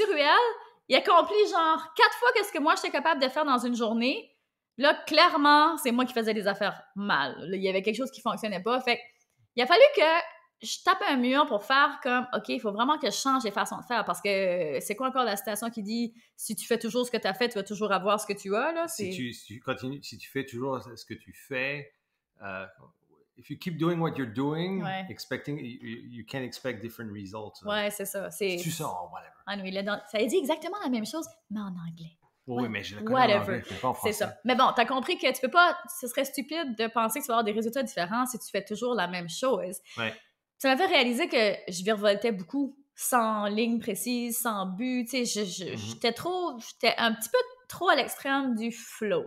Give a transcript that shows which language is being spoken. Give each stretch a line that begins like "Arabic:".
French: Ruel, il accomplit genre 4 fois qu'est-ce que moi j'étais capable de faire dans une journée. Là, clairement, c'est moi qui faisais des affaires mal. Là, il y avait quelque chose qui fonctionnait pas. Fait qu'il a fallu que je tape un mur pour faire comme, OK, il faut vraiment que je change les façons de faire parce que c'est quoi encore la citation qui dit « Si tu fais toujours ce que tu as fait, tu vas toujours avoir ce que tu as. » Si tu fais toujours ce que tu fais,
English: if you keep doing what you're doing, expecting, you can't expect different results.
French: Ouais, c'est ça. Tu sors, whatever. Ah oui, ça dit exactement la même chose, mais en anglais. Oui, mais je la connais en anglais, je pas en français. C'est ça. Mais bon, t'as compris que tu peux pas, ce serait stupide de penser que tu vas avoir des résultats différents si tu fais toujours la même chose. Ouais. Ça m'a fait réaliser que je virevoltais beaucoup, sans ligne précise, sans but, tu sais, j'étais un petit peu trop à l'extrême du flow.